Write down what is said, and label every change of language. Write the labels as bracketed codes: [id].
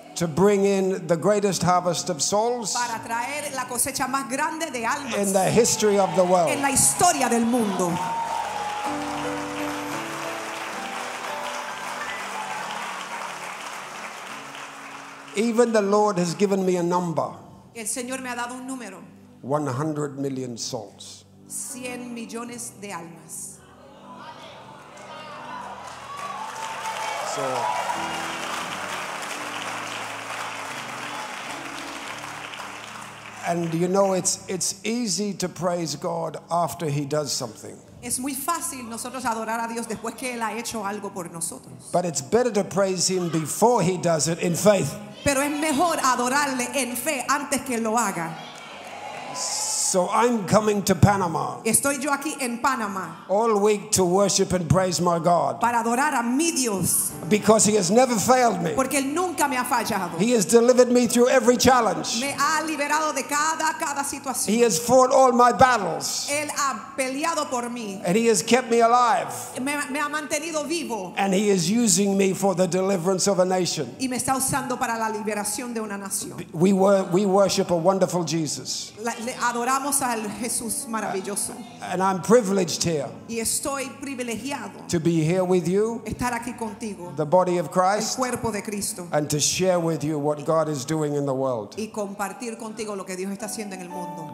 [en] To bring in the greatest harvest of souls. [es] Para traer la cosecha más grande de almas. [en] In the history of the world. [es] En la historia del mundo. [en] Even the Lord has given me a number. [es] El Señor me ha dado un número. [en] 100 million souls. [es] 100 millones de almas. [en] So, and you know, it's easy to praise God after He does something. [es] Es muy fácil nosotros adorar a Dios después que Él ha hecho algo por nosotros. [en] But it's better to praise Him before He does it in faith. [es] Pero es mejor adorarle en fe antes que lo haga. [en] So I'm coming to Panama. [es] Estoy yo aquí en Panama. [en] All week to worship and praise my God. [es] Para adorar a mi Dios. [en] Because He has never failed me. [es] Porque él nunca me ha fallado. [en] He has delivered me through every challenge. [es] Me ha liberado de cada situación. [en] He has fought all my battles. [es] Él ha peleado por mí. [en] And He has kept me alive. [es] Me ha mantenido vivo. [en] And He is using me for the deliverance of a nation. [es] Y me está usando para la liberación de una nación. [en] We worship a wonderful Jesus. And I'm privileged here. [es] Y estoy privilegiado [en] to be here with you, [es] estar aquí contigo, [en] the body of Christ, [es] el cuerpo de Cristo, [en] and to share with you what God is doing in the world. [es] Y compartir contigo lo que Dios está haciendo en el mundo.